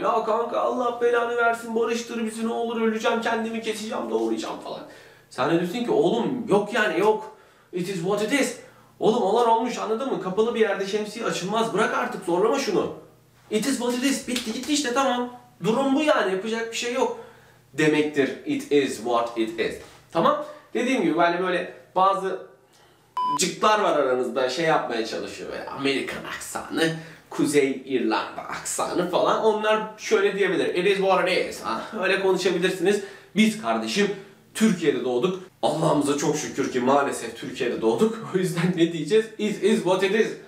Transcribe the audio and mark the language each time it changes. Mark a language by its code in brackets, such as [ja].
[tr] Ya kanka Allah belanı versin, barıştır bizi ne olur, öleceğim, kendimi keseceğim, doğrayacağım falan. Sen de diyorsun ki oğlum yok yani yok. [en] It is what it is. [tr] Oğlum olan olmuş, anladın mı? Kapalı bir yerde şemsiye açılmaz, bırak artık, zorlama şunu. [en] It is what it is. [tr] Bitti gitti işte, tamam. Durum bu yani, yapacak bir şey yok. [en] Demektir it is what it is. [tr] Tamam. Dediğim gibi yani böyle bazı cıklar var aranızda, şey yapmaya çalışıyor böyle Amerikan aksanı, Kuzey İrlanda aksanı falan. Onlar şöyle diyebilir. [en] It is what it is. [tr] Öyle konuşabilirsiniz. Biz kardeşim Türkiye'de doğduk. Allah'ımıza çok şükür ki maalesef Türkiye'de doğduk. O yüzden ne diyeceğiz? [en] It is what it is.